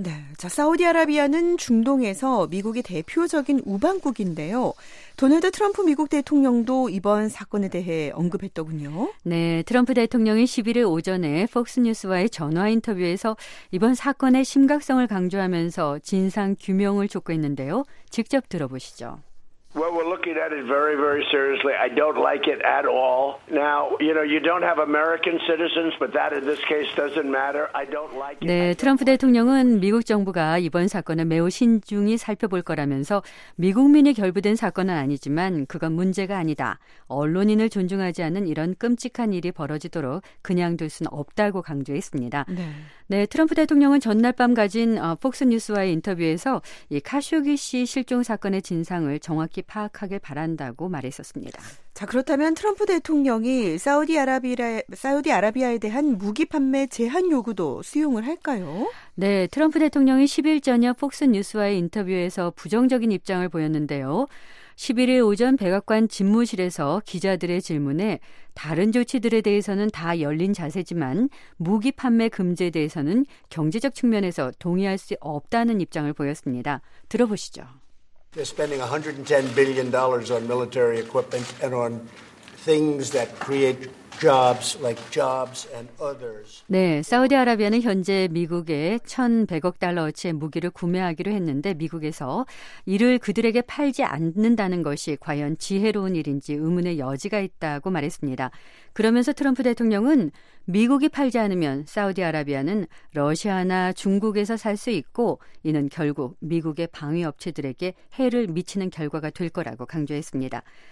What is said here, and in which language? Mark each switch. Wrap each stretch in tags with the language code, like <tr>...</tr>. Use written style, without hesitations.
<ko>네, 자 사우디아라비아는 중동에서 미국의 대표적인 우방국인데요. 도널드 트럼프 미국 대통령도 이번 사건에 대해 언급했더군요. 네, 트럼프 대통령이 11일 오전에 폭스뉴스와의 전화 인터뷰에서 이번 사건의 심각성을 강조하면서 진상 규명을 촉구했는데요. 직접 들어보시죠.</ko> <en>Well, we're looking at it very, very seriously. I don't like it at all. Now, you know, you don't have American citizens, but that in this case doesn't matter. I don't like it.</en> <ko>네, 트럼프 대통령은 미국 정부가 이번 사건을 매우 신중히 살펴볼 거라면서 미국민이 결부된 사건은 아니지만 그건 문제가 아니다. 언론인을 존중하지 않는 이런 끔찍한 일이 벌어지도록 그냥 둘 수는 없다고 강조했습니다. 네. 네, 트럼프 대통령은 전날 밤 가진 폭스뉴스와의 인터뷰에서 이 카쇼기 씨 실종 사건의 진상을 정확히 파악하길 바란다고 말했었습니다. 자, 그렇다면 트럼프 대통령이 사우디아라비아에 대한 무기 판매 제한 요구도 수용을 할까요? 네, 트럼프 대통령이 10일 저녁 폭스뉴스와의 인터뷰에서 부정적인 입장을 보였는데요. 11일 오전 백악관 집무실에서 기자들의 질문에 다른 조치들에 대해서는 다 열린 자세지만 무기 판매 금지에 대해서는 경제적 측면에서 동의할 수 없다는 입장을 보였습니다. 들어보시죠.</ko> <en>They're spending $110 billion on military equipment and on things that create jobs like jobs and others.</en> <ko>네, 사우디아라비아는 현재 미국에 1,100억 달러어치의 무기를 구매하기로 했는데 미국에서 이를 그들에게 팔지 않는다는 것이 과연 지혜로운 일인지 의문의 여지가 있다고 말했습니다. 그러면서 트럼프 대통령은 미국이 팔지 않으면 사우디아라비아는 러시아나 중국에서 살 수 있고 이는 결국 미국의 방위 업체들에게 해를 미치는 결과가 될 거라고 강조했습니다.</ko>